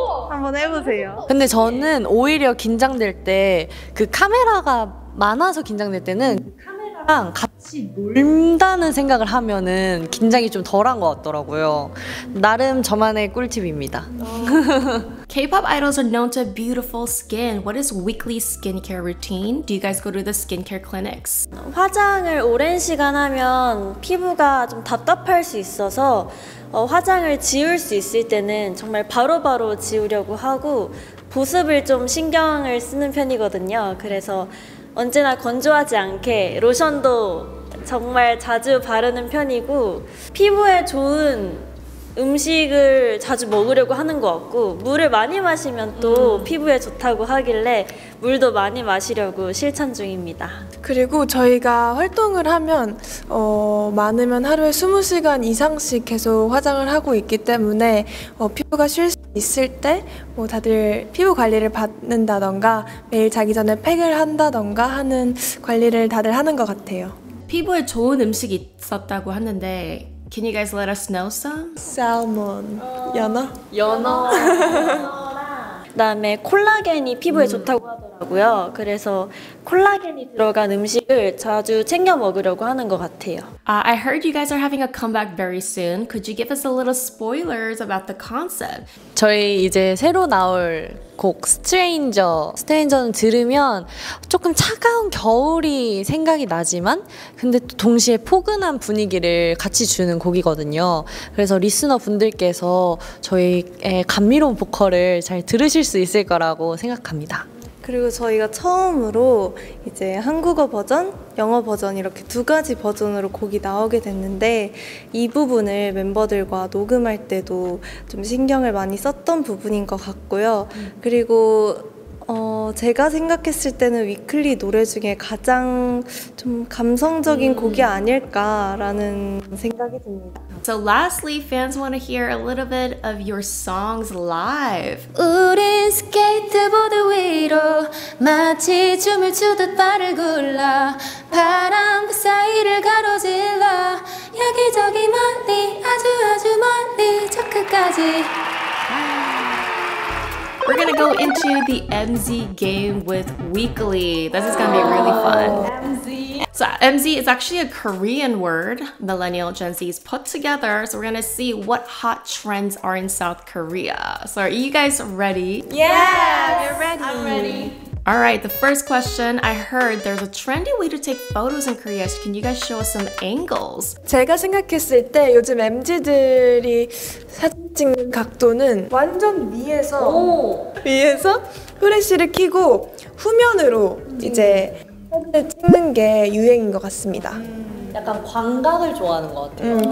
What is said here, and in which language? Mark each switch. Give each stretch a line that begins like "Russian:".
Korean: 한번 해보세요. 근데 저는 오히려 긴장될 때 그 카메라가 많아서 긴장될 때는 카메라랑 같이 같이 놀다는 생각을 하면은 긴장이 좀 덜한 것 같더라고요. 나름 저만의 꿀팁입니다.
English: K-pop idols are known to have beautiful skin. What is weekly skincare routine? Do you guys go to the skincare clinics?
Korean: 화장을 오랜 시간 하면 피부가 좀 답답할 수 있어서 화장을 지울 수 있을 때는 정말 바로바로 지우려고 하고 보습을 좀 신경을 쓰는 편이거든요. 그래서 언제나 건조하지 않게 로션도 정말 자주 바르는 편이고 피부에 좋은 음식을 자주 먹으려고 하는 것 같고 물을 많이 마시면 또 피부에 좋다고 하길래 물도 많이 마시려고 실천 중입니다. 그리고 저희가 활동을 하면 많으면 하루에 20시간 이상씩 계속 화장을 하고 있기 때문에 피부가 쉴 수 있을 때 뭐 다들 피부 관리를 받는다던가 매일 자기 전에 팩을 한다던가 하는 관리를 다들 하는 것 같아요. 피부에 좋은 음식이 있었다고 하는데
English: Can you guys let us know some? Salmon. 연어?
Korean: 연어. 그다음에 콜라겐이 피부에 좋다고 하더라고요. 그래서 콜라겐이 들어간 음식을 자주 챙겨 먹으려고 하는 것 같아요.
English: I heard you guys are having a comeback very soon. Could you give us a little spoilers about the concept?
Korean: 저희 이제 새로 나올 곡 스트레인저는 들으면 조금 차가운 겨울이 생각이 나지만 근데 또 동시에 포근한 분위기를 같이 주는 곡이거든요. 그래서 리스너 분들께서 저희의 감미로운 보컬을 잘 들으실 수 있을 거라고 생각합니다. 그리고 저희가 처음으로 이제 한국어 버전, 영어 버전 이렇게 두 가지 버전으로 곡이 나오게 됐는데 이 부분을 멤버들과 녹음할 때도 좀 신경을 많이 썼던 부분인 것 같고요. 그리고 제가 생각했을 때는 위클리 노래 중에 가장 좀 감성적인 곡이 아닐까라는 생각이 듭니다.
English: So lastly, fans want to hear a little bit of your songs live.
Korean: 우린 스케이트보드 위로 마치 춤을 추듯 발을 굴라 바람 그 사이를 가로질러 여기저기 멀리 아주아주 멀리 저 끝까지
English: We're gonna go into the MZ game with Weekly. This is gonna be really fun. MZ. So MZ is actually a Korean word millennial Gen Z's put together. So we're gonna see what hot trends are in South Korea. So are you guys ready? Yes! We're ready. I'm ready. All right, the first question. I heard there's a trendy way to take photos in Korea. Can you guys show us some angles?
Korean: 제가 생각했을 때 요즘 MZ들이 사진 찍는 각도는 완전 위에서 위에서 후레쉬를 켜고 후면으로 이제 사진을 찍는 게 유행인 것 같습니다. 약간 광각을 좋아하는 것 같아요.